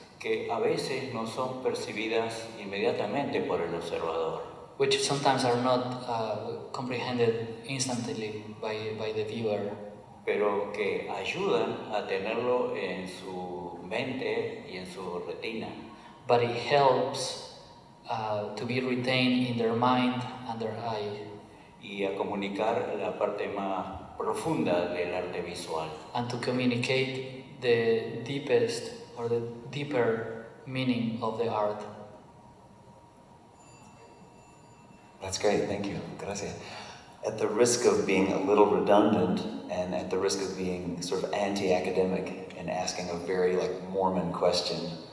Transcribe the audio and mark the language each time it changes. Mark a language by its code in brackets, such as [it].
[es] Que a veces no son percibidas inmediatamente por el observador. [en] Which sometimes are not comprehended instantly by the viewer. [es] Pero que ayudan a tenerlo en su mente y en su retina. [en] But it helps to be retained in their mind and their eye. [es] Y a comunicar la parte más profunda del arte visual. [en] And to communicate the deepest or the deeper meaning of the art. That's great, thank you, gracias. At the risk of being a little redundant and at the risk of being sort of anti-academic and asking a very like Mormon question.